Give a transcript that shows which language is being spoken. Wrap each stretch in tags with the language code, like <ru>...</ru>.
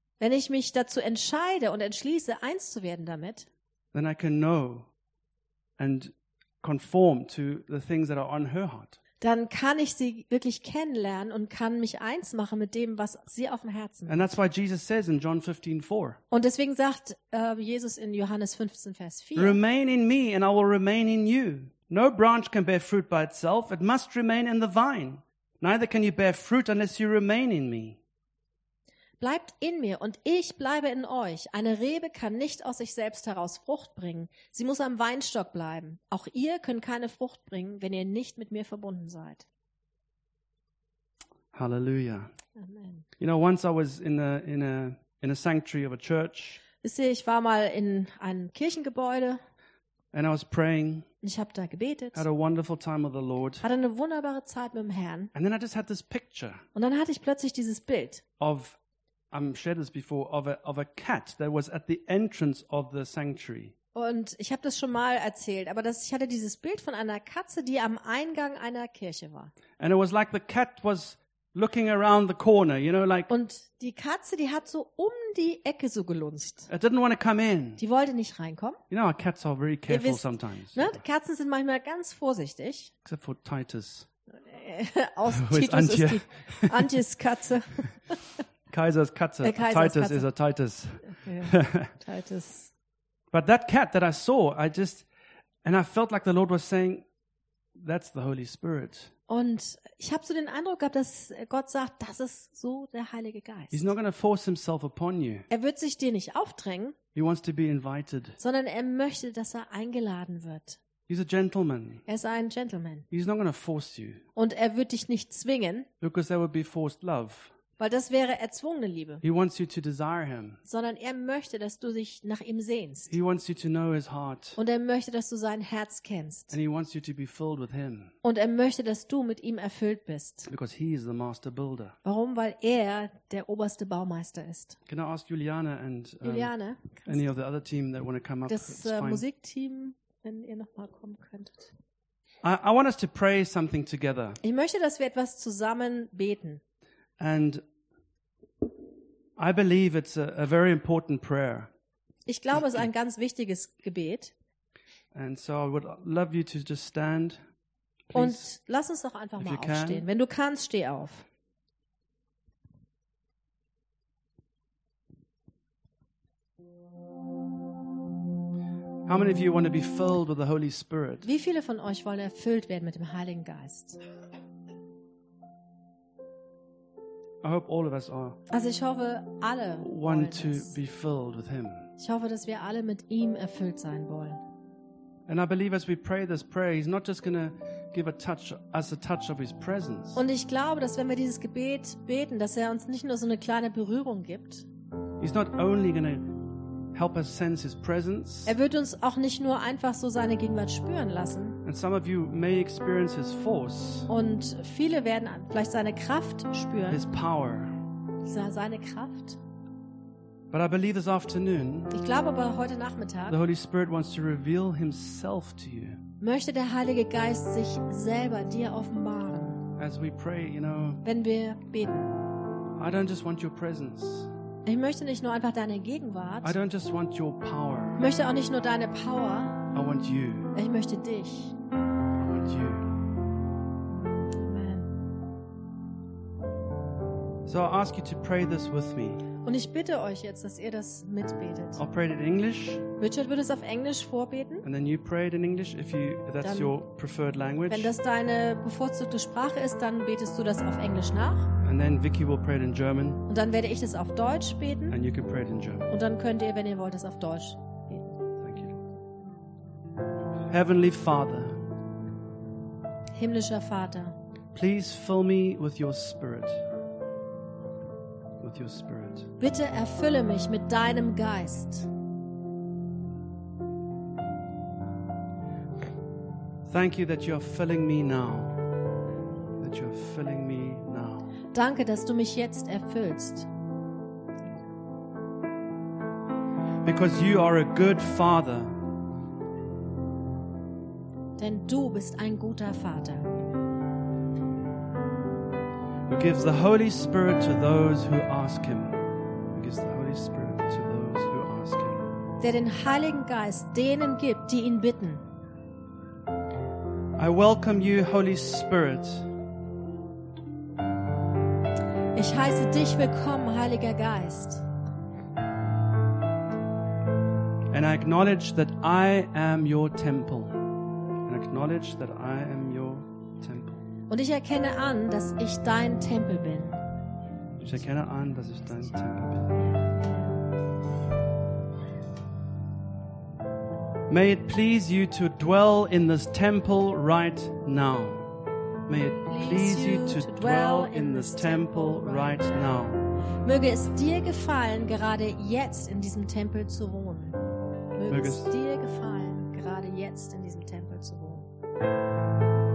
<de>Wenn ich mich dazu entscheide und entschließe, eins zu werden damit,</de> <en>then I can know and conform to the things that are on her heart.</en> <de>Dann kann ich sie wirklich kennenlernen und kann mich eins machen mit dem, was sie auf dem Herzen hat.</de> <en>And that's why Jesus says in John 15:4.</en> <de>Und deswegen sagt Jesus in Johannes 15 Vers 4.</de> <en>Remain in me and I will remain in you. No branch can bear fruit by itself, it must remain in the vine. Neither can you bear fruit unless you remain in me.</en> <de>Bleibt in mir und ich bleibe in euch. Eine Rebe kann nicht aus sich selbst heraus Frucht bringen. Sie muss am Weinstock bleiben. Auch ihr könnt keine Frucht bringen, wenn ihr nicht mit mir verbunden seid. Halleluja. Amen.</de> <en>You know, once I was in a sanctuary of a church.</en> <de>Wisst ihr, ich war mal in einem Kirchengebäude.</de> <en>And I was praying.</en> <de>Ich habe da gebetet.</de> <en>Had a wonderful time with the Lord.</en> <de>Hatte eine wunderbare Zeit mit dem Herrn.</de> <en>And then I just had this picture.</en> <de>Und dann hatte ich plötzlich dieses Bild.</de> <en>Of I've shared this before of a cat that was at the entrance of the sanctuary.</en> <de>Und ich habe das schon mal erzählt, aber ich hatte dieses Bild von einer Katze, die am Eingang einer Kirche war.</de> <en>And it was like the cat was looking around the corner, you know, like.</en> <de>Und die Katze, die hat so um die Ecke so gelunzt.</de> <en>It didn't want to come in.</en> <de>Die wollte nicht reinkommen.</de> <en>You know, cats are very careful.</en> <de>Ihr wisst,</de> <en>sometimes.</en> <de>Ne, Katzen sind manchmal ganz vorsichtig.</de> <en>Except for Titus.</en> <de>Aus Titus ist Antje. Antjes Katze. Kaiser's Katze. Titus Katze.</de> <en>Is a Titus. Okay. Titus. But that cat that I saw, I felt like the Lord was saying, that's the Holy Spirit.</en> <de>Und ich habe so den Eindruck gehabt, dass Gott sagt, das ist so der Heilige Geist.</de> <en>He's not going to force himself upon you.</en> <de>Er wird sich dir nicht aufdrängen.</de> <en>He wants to be invited.</en> <de>Sondern er möchte, dass er eingeladen wird.</de> <en>He's a gentleman.</en> <de>Er ist ein Gentleman.</de> <en>He's not going to force you.</en> <de>Und er wird dich nicht zwingen.</de> <en>Because there would be forced love.</en> <de>Weil das wäre erzwungene Liebe.</de> <en>He wants you to desire him.</en> <de>Sondern er möchte, dass du dich nach ihm sehnst.</de> <en>He wants you to know his heart.</en> <de>Und er möchte, dass du sein Herz kennst.</de> <en>And he wants you to be filled with him.</en> <de>Und er möchte, dass du mit ihm erfüllt bist.</de> <en>Because he is the master builder.</en> <de>Warum? Weil er der oberste Baumeister ist.</de> <en>Can I ask Juliane and Juliane, any of the other team that want to come up?</en> <de>Das Musikteam, wenn ihr nochmal kommen könntet.</de> <en>I want us to pray something together.</en> <de>Ich möchte, dass wir etwas zusammen beten.</de> <en>And I believe it's a very important prayer.</en> <de>Ich glaube, es ist ein ganz wichtiges Gebet.</de> <en>And so I would love you to just stand. Please.</en> <de>Und lass uns doch einfach mal aufstehen.</de> <en>Can.</en> <de>Wenn du kannst, steh auf.</de> <en>How many of you want to be filled with the Holy Spirit?</en> <de>Wie viele von euch wollen erfüllt werden mit dem Heiligen Geist?</de> <en>I hope all of us are.</en> <de>Also ich hoffe, alle</de> <en>want to be filled with him.</en> <de>Ich hoffe, dass wir alle mit ihm erfüllt sein wollen.</de> <en>And I believe as we pray this prayer, he's not just going to give us a touch of his presence.</en> <de>Und ich glaube, dass wenn wir dieses Gebet beten, dass er uns nicht nur so eine kleine Berührung gibt.</de> <en>He's not only going to help us sense his presence.</en> <de>Er wird uns auch nicht nur einfach so seine Gegenwart spüren lassen.</de> <en>And some of you may experience his force.</en> <de>Und viele werden vielleicht seine Kraft spüren.</de> <en>His power.</en> <de>Seine Kraft.</de> <en>But I believe this afternoon.</en> <de>Ich glaube aber heute Nachmittag.</de> <en>The Holy Spirit wants to reveal himself to you.</en> <de>Möchte der Heilige Geist sich selber dir offenbaren.</de> <en>As we pray, you know.</en> <de>Wenn wir beten.</de> <en>I don't just want your presence.</en> <de>Ich möchte nicht nur einfach deine Gegenwart.</de> <en>I don't just want your power.</en> <de>Ich möchte auch nicht nur deine Power.</de> <en>I want you.</en> <de>Ich möchte dich.</de> <en>I want you. Amen. So I ask you to pray this with me.</en> <de>Und ich bitte euch jetzt, dass ihr das mitbetet.</de> <en>I'll pray it in English.</en> <de>Richard wird es auf Englisch vorbeten.</de> <en>And then you pray it in English if you that's</en> <de>dann,</de> <en>your preferred language.</en> <de>Wenn das deine bevorzugte Sprache ist, dann betest du das auf Englisch nach.</de> <en>And then Vicky will pray it in German.</en> <de>Und dann werde ich das auf Deutsch beten.</de> <en>And you can pray it in German.</en> <de>Und dann könnt ihr, wenn ihr wollt, es auf Deutsch beten.</de> <en>Thank you. Heavenly Father.</en> <de>Himmlischer Vater.</de> <en>Please fill me with your spirit. With your spirit.</en> <de>Bitte erfülle mich mit deinem Geist.</de> <en>Thank you that you are filling me now. That you are filling me now.</en> <de>Danke, dass du mich jetzt erfüllst.</de> <en>Because you are a good father.</en> <de>Denn du bist ein guter Vater.</de> <en>Who gives the Holy Spirit to those who ask him. Who gives the Holy Spirit to those who ask him.</en> <de>Der den Heiligen Geist denen gibt, die ihn bitten.</de> <en>I welcome you, Holy Spirit.</en> <de>Ich heiße dich willkommen, Heiliger Geist.</de> <en>And I acknowledge that I am your temple. And acknowledge that I am your temple.</en> <de>Und ich erkenne an, dass ich dein Tempel bin. Ich erkenne an, dass ich dein Tempel bin.</de> <en>May it please you to dwell in this temple right now. May it please you to dwell in this temple right now.</en> <de>Möge es dir gefallen, gerade jetzt in diesem Tempel zu wohnen. Möge es dir gefallen, gerade jetzt in diesem Tempel zu wohnen.</de>